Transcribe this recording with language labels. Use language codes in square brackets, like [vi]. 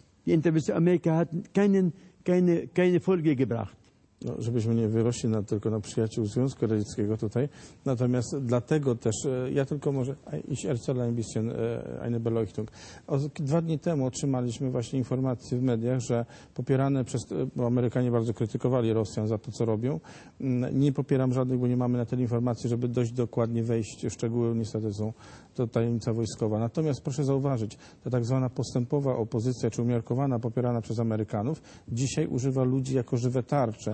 [de] Die Intervention Amerika hat keine Folge gebracht. [pl] No, żebyśmy nie wyrośli na, tylko na przyjaciół Związku Radzieckiego tutaj. Natomiast dlatego też, ja tylko może... [de] Ich erzähle ein bisschen eine Beleuchtung. [pl] Dwa dni temu otrzymaliśmy właśnie informację w mediach, że popierane przez... Bo Amerykanie bardzo krytykowali Rosjan za to, co robią. Nie popieram żadnych, bo nie mamy na tyle informacji, żeby dość dokładnie wejść w szczegóły. Niestety są to tajemnica wojskowa. Natomiast proszę zauważyć, ta tak zwana postępowa opozycja, czy umiarkowana, popierana przez Amerykanów, dzisiaj używa ludzi jako żywe tarcze.